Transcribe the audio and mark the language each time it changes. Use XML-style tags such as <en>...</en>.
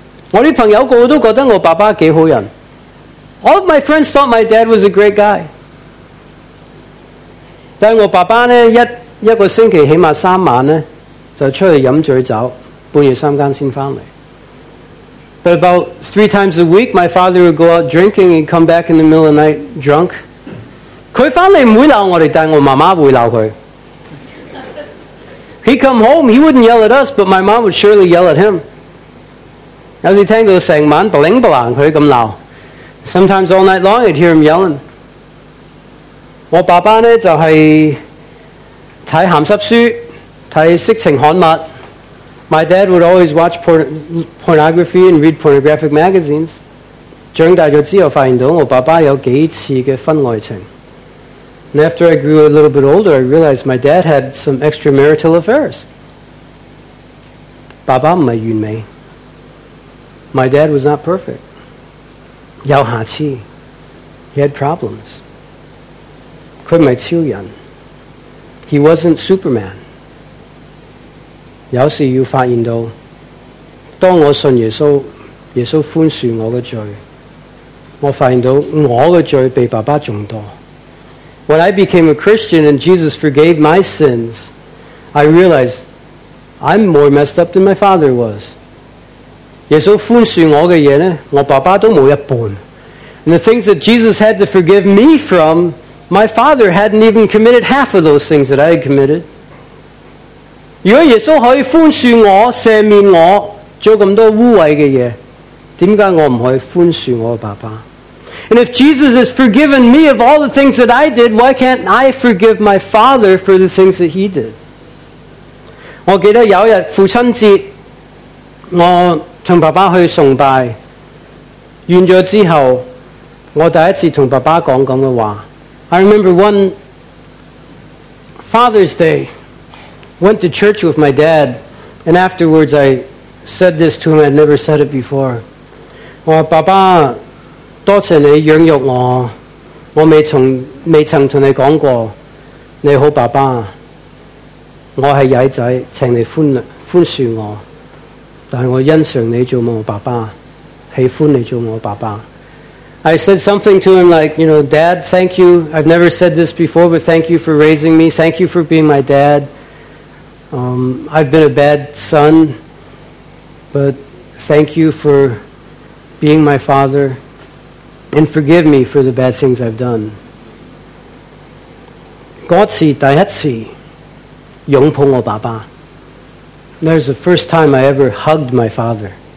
<yue>我的朋友个个都觉得我爸爸几好人。</yue> <en>All of my friends thought my dad was a great guy.</en> <yue>但我爸爸呢，一个星期起码三晚呢就出去喝醉酒，半夜三更才回来。</yue> <en>But about three times a week, my father would go out drinking and come back in the middle of the night drunk.</en> <yue>他回来不会骂我们，但我妈妈会骂他。</yue> <en>He'd come home, he wouldn't yell at us, but my mom would surely yell at him.</en> <yue>有时听到整晚bling bling他这样骂。</yue> <en>Sometimes all night long, I'd hear him yelling.</en> <yue>我爸爸呢就是看咸湿书。看色情刊物。</yue> <en>My dad would always watch pornography and read pornographic magazines.</en> <yue>长大了之后发现到我爸爸有几次的婚外情。</yue> <en>And after I grew a little bit older, I realized my dad had some extramarital affairs.</en> <yue>爸爸不是完美。</yue> <en>My dad was not perfect.</en> <yue>有瑕疵。</yue> <en>He had problems.</en> <yue>他不是超人。</yue> <en>He wasn't Superman.</en> <yue>有时要发现到，当我信耶稣，耶稣宽恕我的罪，我发现到我的罪比爸爸更多。</yue> <en>When I became a Christian and Jesus forgave my sins, I realized I'm more messed up than my father was.</en> <yue>耶稣宽恕我的嘢呢，我爸爸都没一半。</yue> <en>And the things that Jesus had to forgive me from, my father hadn't even committed half of those things that I had committed.</en> <yue>如果耶稣可以宽恕我、赦免我做咁多污秽嘅嘢，点解我唔可以宽恕我爸爸</yue> <en>？And if Jesus has forgiven me of all the things that I did, why can't I forgive my father for the things that he did？</en> <yue>我记得有一日父亲节，我同爸爸去崇拜，完咗之后，我第一次同爸爸讲咁嘅话。</yue> <en>I remember one Father's Day. Went to church with my dad, and afterwards I said this to him, I'd never said it before.</en> <yue>我说爸爸，多谢你养育我，我未曾同你讲过，你好爸爸，我是曳仔，请你宽恕我，但我欣赏你做我爸爸，喜欢你做我爸爸。</yue> <en>I said something to him like, you know, Dad, thank you. I've never said this before, but thank you for raising me. Thank you for being my dad. I've been a bad son, but thank you for being my father and forgive me for the bad things I've done.</en> <yue>那次第一次拥抱我爸爸。</yue> <en>That's the first time I ever hugged my father.</en>